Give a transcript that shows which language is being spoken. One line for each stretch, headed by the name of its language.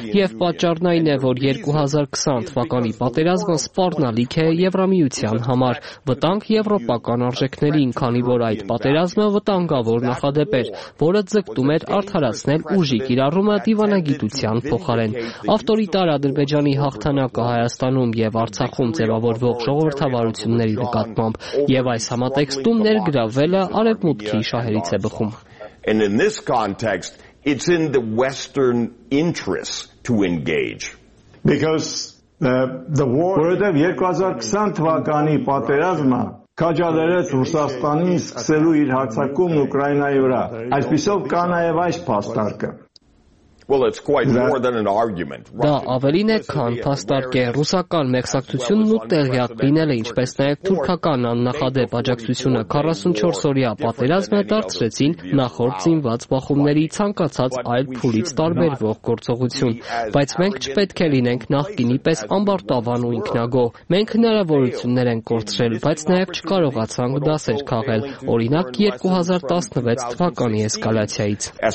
Armenian: եւ պատճառն այն է, որ 2020 թվականի պատերազմը սպառնալիք է Եվրամիության համար, վտանգ եվրոպական արժեքներին, քանի որ այդ պատերազմը վտանգավոր նախադեպ էր, որը ձգտում էր արդարացնել ուժի կիրառումը դիվանագիտության փոխարեն։ Ավտորիտար Ադրբեջանի հաղթանակը Հայաստանում եւ Արցախում ձևավորվող ժողովրդավարությունների նկատմամբ եւ այս համատեքստում ներգրավելը արևմուտքի շահերից է բխում։
English: And in this context, it's in the Western interests to engage. Because the war...
Armenian: Որովհետև 2020 թվականի պատերազմը քաջալերեց Ռուսաստանի սկսելու իր հարձակումն Ուկրաինայի վրա։ Այսպիսով կա նաև այս փաստարկը։
English: Well, it's quite more than an argument.
Armenian: Դա ավելին է, քան փաստարկ է։ Ռուսական մեկսակցությունն ու տեղյակ լինելը, ինչպես նաև թուրքական աննախադեպ աջակցությունը 44-օրյա պատերազմը դարձրեցին նախորդ զինված բախումների ցանկացած այլ փուլից տարբերվող գործողություն, բայց մենք չպետք է լինենք նախկինի պես ամբարտավան ու ինքնագոհ։ Մենք հնարավորություններ ենք կորցրել, բայց նաև չկարողացանք դասեր քաղել, օրինակ 2016 թվականի էսկալացիայից։